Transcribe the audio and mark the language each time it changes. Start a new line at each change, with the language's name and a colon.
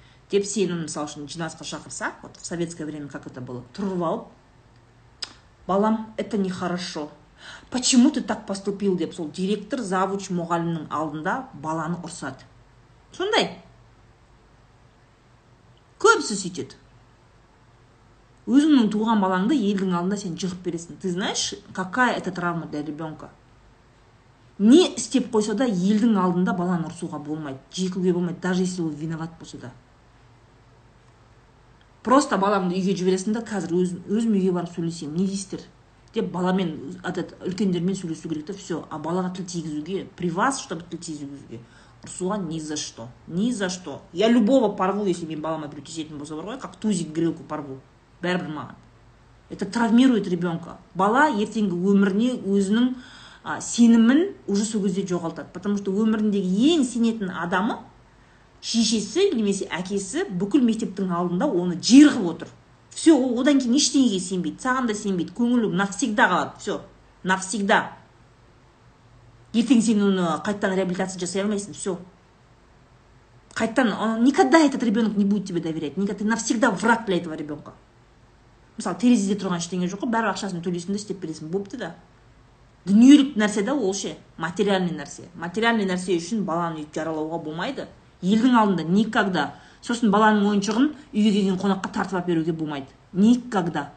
Kazakh: Деп сені мысалы үшін жиналысқа шақырса,
Russian: вот в советское время как это было,
Kazakh: тұрып алып, балам,
Russian: это нехорошо. Почему ты так поступил,
Kazakh: деп сол директор, завуч, мұғалімнің алдында баланы ұрсады. Сондай. Көбісі сөйтеді. Өзіңнің туған балаңды елдің алдында сен жығып бересің.
Russian: Ты знаешь, какая это травма для ребенка?
Kazakh: Не істеп қойса да, елдің алдында баланы ұрсуға болмайды, жекуге болмайды,
Russian: даже если
Kazakh: ол
Russian: виноват
Kazakh: болса да. Просто баламды үйге жібересің да, қазір өзім үйге барып сөйлесем, не дейсіздер? Деп баламен, үлкендермен сөйлесу керек та, все. А балаға тіл тигізуге,
Russian: при вас, чтобы
Kazakh: тіл тигізуге, ұрсуға
Russian: ни за что. Я любого порву, если
Kazakh: мен балама бір тисетін болса бар ғой,
Russian: как тузик грелку порву.
Kazakh: Бәрібір маған.
Russian: Это травмирует ребенка.
Kazakh: Бала ертеңгі өміріне өзінің сенімін уже сол кезде жоғалтады.
Russian: Потому что
Kazakh: өміріндегі ең сенетін адамы, шешесі немесе әкесі бүкіл мектептің алдында оны жер қып отыр. Все, одан кейін ештеңеге сенбейді, саған да сенбейді, көңілі
Russian: навсегда
Kazakh: қалады.
Russian: Все, навсегда.
Kazakh: Ертең сен оны қайттан реабилитация жасай алмайсың, все.
Russian: Қайттан, никогда этот ребенок не будет тебе доверять. Никогда, ты навсегда враг для этого ребенка.
Kazakh: Мысалы, терезеде тұрған ештеңе жоқ, бәрі ақшасын төлейсің де істеп бересің, бопты да. Дүниелік нәрсе да ол ше, материальный нәрсе. Материальный нәрсе үшін баланы үйді жаралауға болмайды. Елдің алдында
Russian: никогда.
Kazakh: Сосын баланың ойыншығын үйге келген қонаққа тартып алып беруге болмайды.
Russian: Никогда.